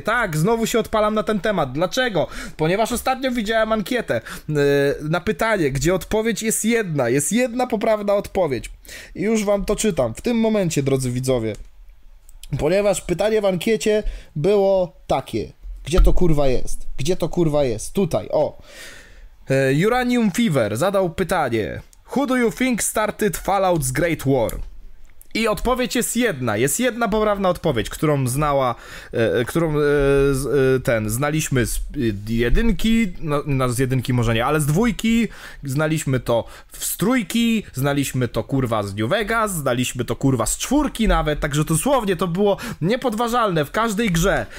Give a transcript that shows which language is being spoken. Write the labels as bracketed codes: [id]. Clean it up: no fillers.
[pl] Tak, znowu się odpalam na ten temat. Dlaczego? Ponieważ ostatnio widziałem ankietę na pytanie, gdzie odpowiedź jest jedna. Jest jedna poprawna odpowiedź. I już wam to czytam. W tym momencie, drodzy widzowie. Ponieważ pytanie w ankiecie było takie. Gdzie to kurwa jest? Tutaj, o. Uranium Fever zadał pytanie. [en] Who do you think started Fallout's Great War? [pl] I odpowiedź jest jedna. Jest jedna poprawna odpowiedź, którą znała, którą ten, znaliśmy z jedynki, no z jedynki może nie, ale z dwójki, znaliśmy to z trójki, znaliśmy to kurwa z New Vegas, znaliśmy to kurwa z czwórki nawet, także dosłownie to było niepodważalne w każdej grze.